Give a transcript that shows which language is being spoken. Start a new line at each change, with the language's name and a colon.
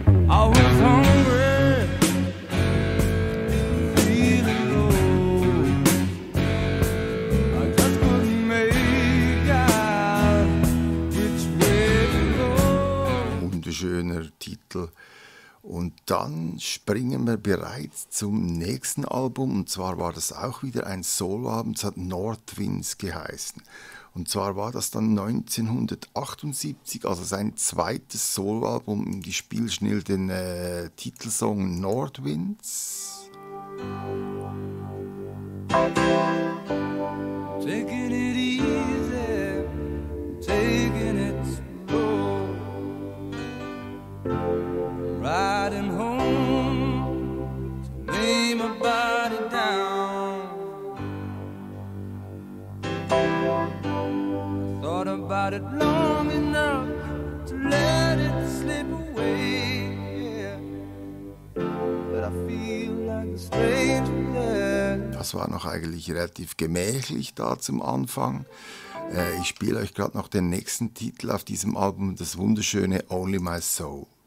English: I was hungry, feeling low. I just couldn't make out which way to go.
German: Wunderschöner Titel. Und dann springen wir bereits zum nächsten Album. Und zwar war das auch wieder ein Soloalbum. Es hat Northwinds geheißen. Und zwar war das dann 1978, also sein zweites Soloalbum. Im Spiel schnell den Titelsong Northwinds.
English: Taking it easy, taking it slow. Riding home to lay my body down. Thought about it long enough to let it slip away, yeah. But I feel like a stranger.
German: Das war noch eigentlich relativ gemächlich da zum Anfang. Ich spiele euch gerade noch den nächsten Titel auf diesem Album, das wunderschöne Only My Soul.